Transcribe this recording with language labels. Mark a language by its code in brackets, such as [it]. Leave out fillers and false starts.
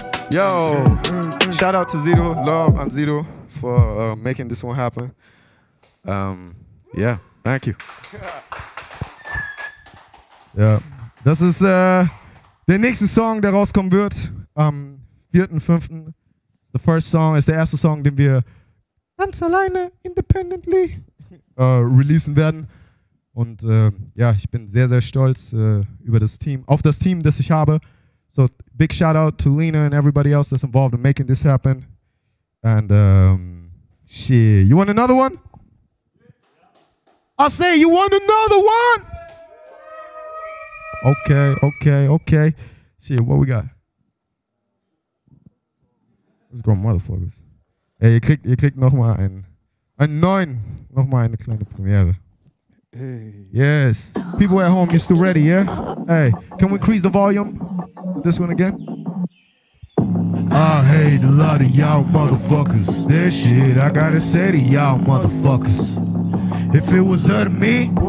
[en] Yo, shout out to Zito, love and Zito for making this one happen. Yeah, thank you. Yeah, [de] das ist der nächste Song, der rauskommen wird am 4.5. [en] The first song [de] ist der erste Song, den wir ganz alleine, independently releasen werden. Und ja, ich bin sehr, sehr stolz über das Team, auf das Team, das ich habe. [en] So, big shout out to Lena and everybody else that's involved in making this happen. And shit, you want another one? I say, you want another one? Okay, okay, okay. Shit, what we got? Let's go, motherfuckers. [de] Ey, ihr kriegt nochmal einen neuen, nochmal eine kleine Premiere. Hey. [en] Yes, people at home, you're still ready, yeah? Hey, can we increase the volume? This one again? I hate a lot of y'all motherfuckers. This shit I gotta say to y'all motherfuckers. If it was her to me,